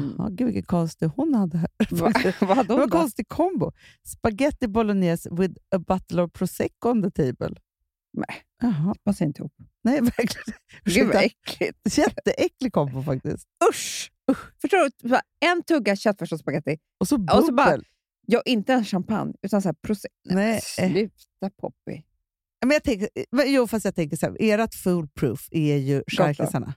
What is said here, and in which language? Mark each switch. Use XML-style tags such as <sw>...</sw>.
<sv>Gud, vilken konstig hon hade här. Vad hade hon då? En konstig kombo.</sv> <en>Spaghetti bolognese with a bottle of prosecco on the table.</en> <sv>Nej. Jaha. Vad säger inte ihop? Nej, verkligen. Gud, vad äckligt. Jätteäcklig kombo faktiskt. Usch! Förstår du? En tugga köttfärs och spaghetti. Och så bubbel. Och så bara, ja, inte en champagne, utan så här prosecco. Nej. Sluta, Poppy. Men jag tänker, jo, fast jag tänker så här, ert foolproof är ju charkisarna.</sv>